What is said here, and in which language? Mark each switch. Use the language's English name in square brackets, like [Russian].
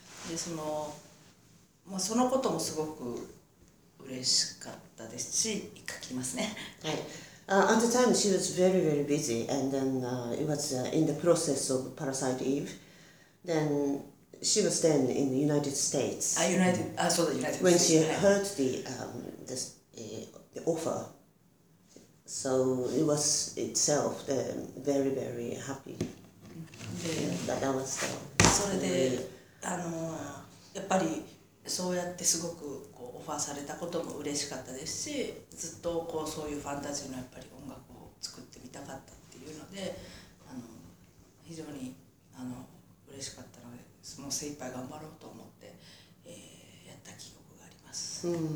[Japanese] でその、まあ、そのこともすごく嬉しかったですし、一回聞きますね。はい。 [English] At the time, she was very, very busy, and then it was in the process of Parasite Eve. Then she was then in the United States. United States. When she heard the offer, so it was itself very, very happy. That was the. [Japanese] それで、やっぱりそうやってすごくこうオファーされたことも嬉しかったですし、ずっとこうそういうファンタジーのやっぱり音楽を作ってみたかったっていうので、あの非常にあの嬉しかったので、その精一杯頑張ろうと思って、やった記憶があります。